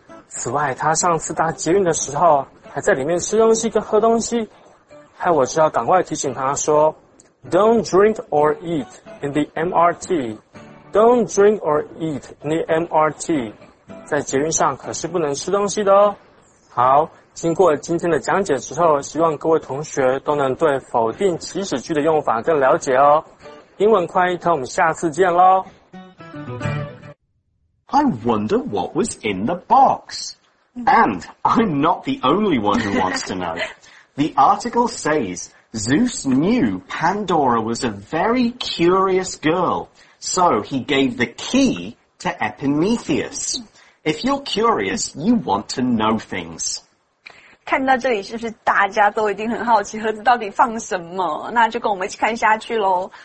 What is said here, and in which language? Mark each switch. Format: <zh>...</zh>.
<zh>此外他上次搭捷运的时候还在里面吃东西跟喝东西，害我只好赶快提醒他说 Don't drink or eat in the MRT, Don't drink or eat in the MRT, 在捷运上可是不能吃东西的哦。好，经过今天的讲解之后，希望各位同学都能对否定祈使句的用法更了解哦。英文快一通，我们下次见咯。</zh> <en>I wonder what was in the box. And I'm not the only one who wants to know. The article says, Zeus knew Pandora was a very curious girl. So he gave the key to Epimetheus. If you're curious, you want to know things.</en> <zh>看到这里是不是大家都一定很好奇盒子到底放什么？那就跟我们一起看下去咯。</zh>